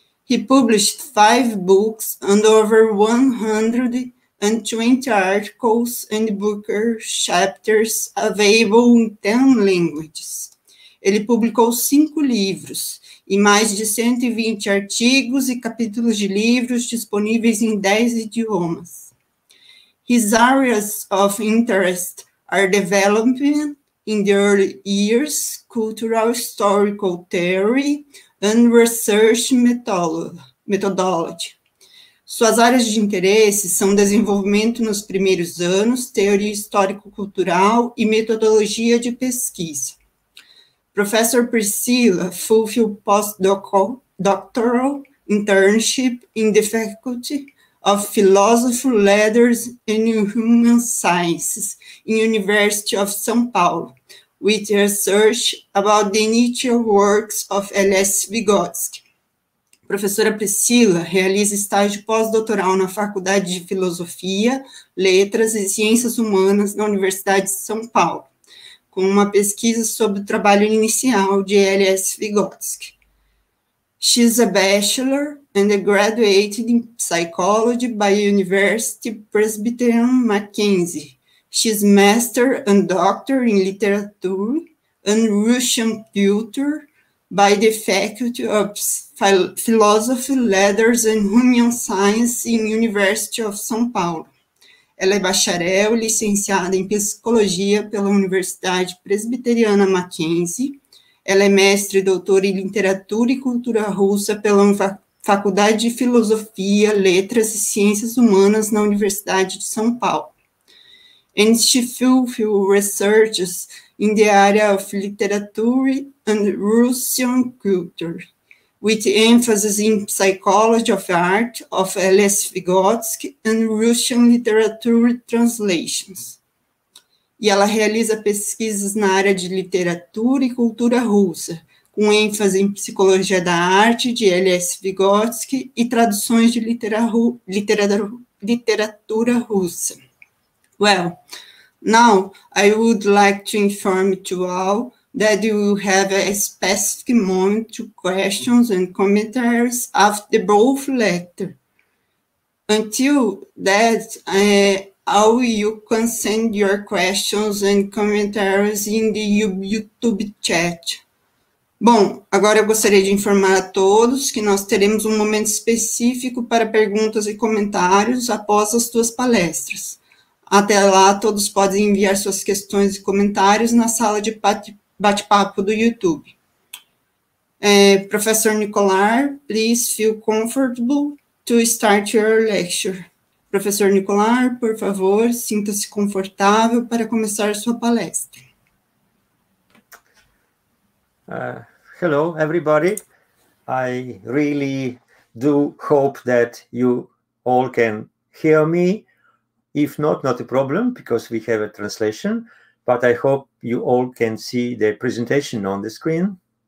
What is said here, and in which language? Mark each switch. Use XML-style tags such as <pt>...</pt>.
<en>He published 5 books and over 120 articles and book chapters available in 10 languages.</en> <pt>Ele publicou 5 livros e mais de 120 artigos e capítulos de livros disponíveis em 10 idiomas.</pt> <en>His areas of interest are developing in the early years cultural historical theory and research methodology.</en> <pt>Suas áreas de interesse são desenvolvimento nos primeiros anos, teoria histórico-cultural e metodologia de pesquisa.</pt> <en>Professor Priscilla fulfilled postdoctoral internship in the Faculty of Philosophy, Letters and Human Sciences in University of São Paulo, with research about the initial works of L.S. Vygotsky.</en> <pt>Professora Priscilla realiza estágio pós-doutoral na Faculdade de Filosofia, Letras e Ciências Humanas na Universidade de São Paulo, com uma pesquisa sobre o trabalho inicial de L.S.</pt> <en>Vygotsky. She's a bachelor and a graduate in psychology by University Presbyterian Mackenzie. She's master and doctor in literature and Russian culture by the Faculty of Philosophy, Letters and Human Science in University of São Paulo.</en> <pt>Ela é bacharel e licenciada em psicologia pela Universidade Presbiteriana Mackenzie. Ela é mestre e doutora em literatura e cultura russa pela Faculdade de Filosofia, Letras e Ciências Humanas na Universidade de São Paulo.</pt> <en>And she fulfilled researches in the area of literature and Russian culture, with emphasis in psychology of art of L.S. Vygotsky and Russian literature translations.</en> <pt>E ela realiza pesquisas na área de literatura e cultura russa, com ênfase em psicologia da arte de L.S. Vygotsky e traduções de literatura russa.</pt> <en>Well, now I would like to inform to all that you have a specific moment to questions and commentaries after the both lecture. Until that, how you can send your questions and commentaries in the YouTube chat.</en> <pt>Bom, agora eu gostaria de informar a todos que nós teremos um momento específico para perguntas e comentários após as suas palestras. Até lá, todos podem enviar suas questões e comentários na sala de bate-papo do YouTube.</pt> <en>Professor Nicolai, please feel comfortable to start your lecture.</en> <pt>Professor Nicolai, por favor, sinta-se confortável para começar sua palestra.</pt> <en>Hello, everybody. I really do hope that you all can hear me. If not, not a problem, because we have a translation, but I hope you all can see the presentation on the screen.</en>